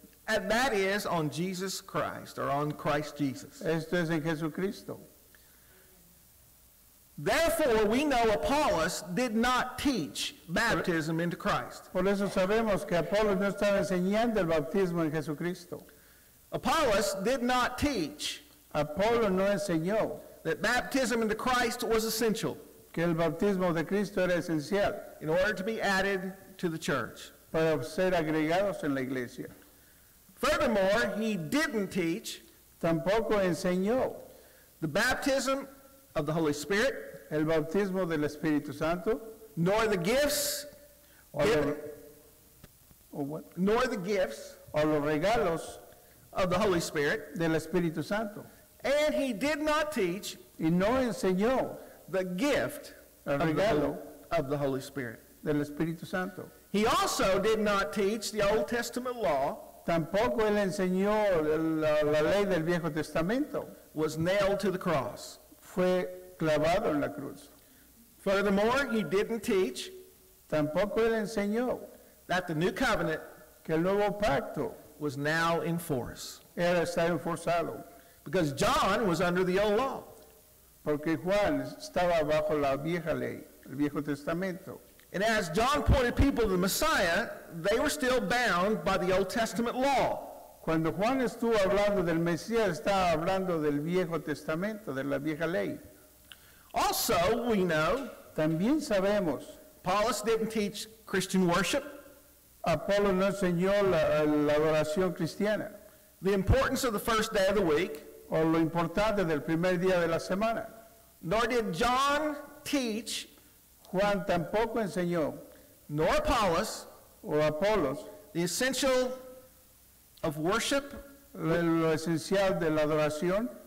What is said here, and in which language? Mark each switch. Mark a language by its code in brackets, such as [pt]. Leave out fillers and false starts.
[en] and that is on Jesus Christ, or on Christ Jesus. [es] Esto es en Jesucristo. [en] Therefore, we know Apollos did not teach baptism into Christ. [es] Por eso sabemos que Apolos no estaba enseñando el bautismo en Jesucristo. [en] Apollos did not teach. [es] Apolo no enseñó [en] that baptism into Christ was essential. [es] Que el bautismo de Cristo era esencial. [en] In order to be added to the church. [es] Para ser agregados en la iglesia. [en] Furthermore, he didn't teach. [es] Tampoco enseñó [en] the baptism of the Holy Spirit, [es] el bautismo del Espíritu Santo, [en] nor the gifts, nor the gifts, [es] or los regalos, [en] of the Holy Spirit, [es] del Espíritu Santo, [en] and he did not teach, [es] y no enseñó, [en] the gift, [es] el regalo, [en] of the Holy Spirit, [es] del Espíritu Santo. [en] He also did not teach the Old Testament law. [es] Tampoco él enseñó la ley del Viejo Testamento. [en] Was nailed to the cross. [es] Fue clavado en la cruz. [en] Furthermore, he didn't teach. [es] Tampoco él enseñó. [en] That the new covenant, [es] que el nuevo pacto, [en] was now in force. [es] Era estar enforzado. [en] Because John was under the old law. [es] Porque Juan estaba bajo la vieja ley, el viejo testamento. [en] And as John pointed people to the Messiah, they were still bound by the Old Testament law. [es] Cuando Juan estuvo hablando del Mesías, estaba hablando del viejo testamento, de la vieja ley. [en] Also, we know, [es] también sabemos, [en] Paulus didn't teach Christian worship. [es] Apolo no enseñó la adoración cristiana. [en] The importance of the first day of the week. [es] O lo importante del primer día de la semana. [en] Nor did John teach. [es] Juan tampoco enseñó. [en] Nor Apollos. [es] O Apolos. [en] The essential of worship. [es] Lo esencial de la adoración.